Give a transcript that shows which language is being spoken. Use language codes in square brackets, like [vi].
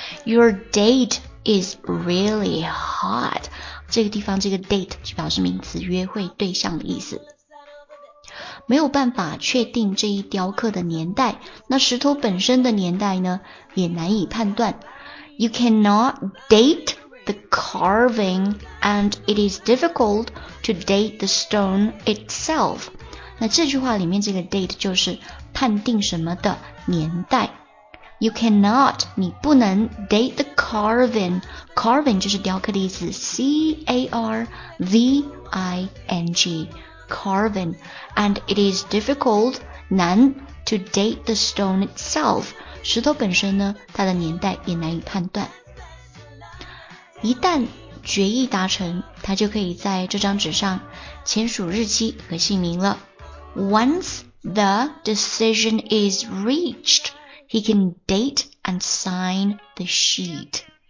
[en] Your date is really hot. [zh] 这个地方这个 date 就表示名词约会对象的意思。没有办法确定这一雕刻的年代，那石头本身的年代呢也难以判断。 [en] You cannot date the carving and it is difficult to date the stone itself. [zh] 那这句话里面这个 date 就是判定什么的年代。 [en] You cannot, [zh] 你不能 [en] date the carving. Carving [zh] 就是雕刻的意思 [en] C-A-R-V-I-N-G. Carving. And it is difficult, [zh] 难 [en] to date the stone itself. [zh] 石头本身呢它的年代也难以判断。一旦决议达成，它就可以在这张纸上签署日期和姓名了。 [en] Once,The decision is reached. He can date and sign the sheet.